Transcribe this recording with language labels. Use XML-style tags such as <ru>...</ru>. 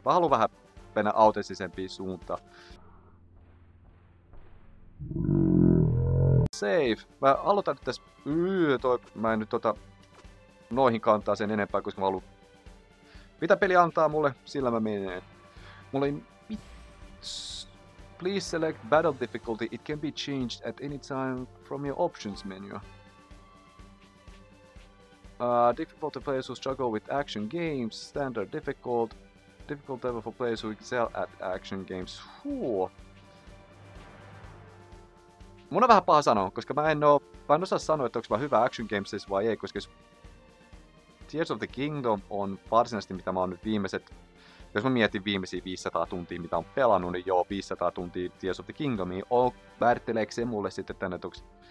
<fi>Mä haluan vähän mennä autenttisempiin suuntaan. Save. Mä aloitan nyt tässä... Mä en nyt noihin kantaa sen enempää, koska mä haluan... Mitä peli antaa mulle, sillä mä menen. Mulla ei...</fi> <en>Please select battle difficulty. It can be changed at any time from your options menu. Difficult players who struggle with action games, standard difficult, difficult level for players who excel at action games. Huh.</en> <fi>Mun on vähän paha sanoa, koska mä en osaa sanoa, että onko mä hyvä action games vai ei, koska Tears of the Kingdom on varsinaisesti mitä mä oon nyt viimeiset, jos mä mietin viimeisiä 500 tuntia mitä on pelannut, niin joo 500 tuntia Tears of the Kingdomia, määritteleekö se mulle sitten tänne, että onks...</fi>